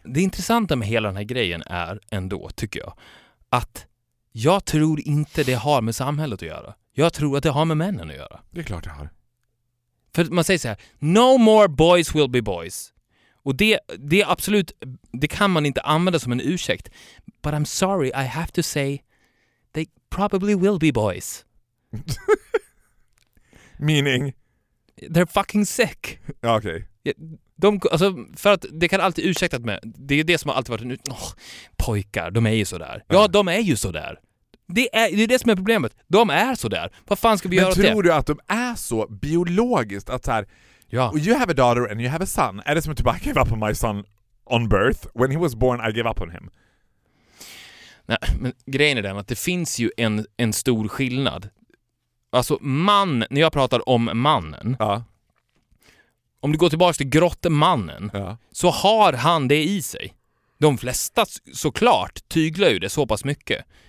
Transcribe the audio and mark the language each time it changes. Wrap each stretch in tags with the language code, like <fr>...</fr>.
<sv>Det intressanta med hela den här grejen är ändå, tycker jag, att jag tror inte det har med samhället att göra. Jag tror att det har med männen att göra. Det är klart det har. För man säger så här,</sv> <en>no more boys will be boys.</en> <sv>Och det är absolut, det kan man inte använda som en ursäkt.</sv> <en>But I'm sorry, I have to say they probably will be boys. Meaning? They're fucking sick.</en> <sv>Okej.</sv> <en>Okay.</en> <sv>Alltså, för att det kan alltid ursäktat med, det är det som har alltid varit pojkar, de är ju så där. Ja, de är ju så där. Det är det som är problemet. De är så där. Vad fan ska vi men göra åt det? Men tror du att de är så biologiskt att så här, ja.</sv> <en>You have a daughter and you have a son.</en> <sv>Är det som att du bara,</sv> <en>I gave up on my son on birth. When he was born I gave up on him.</en> <sv>Nej, men grejen är den att det finns ju en stor skillnad. Alltså man, när jag pratar om mannen. Ja. Om du går tillbaka till grottemannen. Ja. Så har han det i sig. De flesta såklart tyglar ju det så pass mycket.</sv>